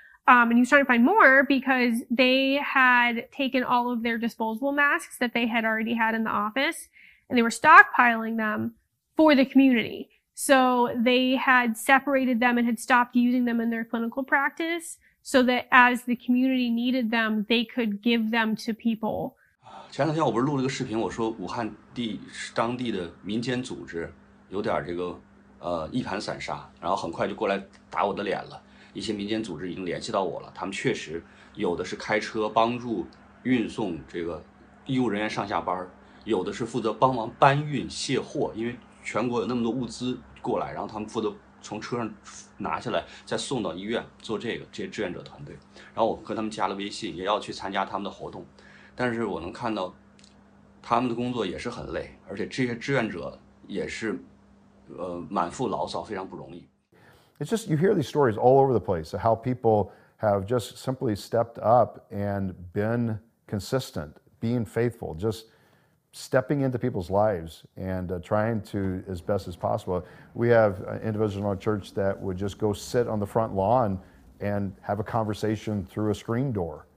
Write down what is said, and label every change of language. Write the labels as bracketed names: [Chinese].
[English] And he was trying to find more because they had taken all of their disposable masks that they had already had in the office, and they were stockpiling them for the community. So they had separated them and had stopped using them in their clinical practice so that as the community needed them, they could give them to people. [Chinese] 前两天我不是录了个视频，我说武汉地当地的民间组织有点这个一盘散沙，然后很快就过来打我的脸了。一些民间组织已经联系到我了，他们确实有的是开车帮助运送这个医务人员上下班，有的是负责帮忙搬运卸货，因为全国有那么多物资过来，然后他们负责从车上拿下来再送到医院做这个，这些志愿者团队。然后我跟他们加了微信，也要去参加他们的活动，但是我能看到他们的工作也是很累，而且这些志愿者也是满腹牢骚，非常不容易。 [English] It's just you hear these stories all over the place of how people have just simply stepped up and been consistent, being faithful, juststepping into people's lives and trying to as best as possible. We have individuals in our church that would just go sit on the front lawn and have a conversation through a screen door.